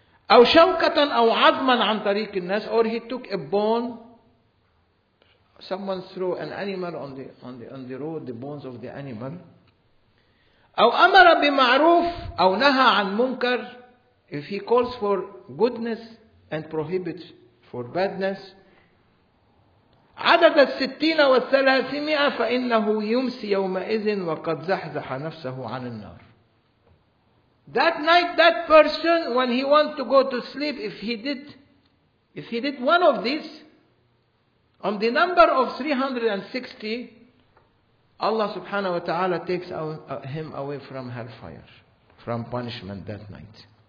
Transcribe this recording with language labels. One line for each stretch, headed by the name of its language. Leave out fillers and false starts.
Arabic: أو شوكة أو عظما عن طريق الناس
English: or he took a bone. Someone threw an animal on the road, the bones of the animal.
Arabic: أو أمر بمعروف أو نهى عن منكر.
English: If he calls for goodness and prohibits for badness.
Arabic: عدد الستين والثلاثمائة فإنه يمسي يومئذ وقد زحزح نفسه عن النار.
English: That night, that person, when he wants to go to sleep, if he did one of these, on the number of 360, Allah subhanahu wa ta'ala takes him away from hellfire, from punishment that night.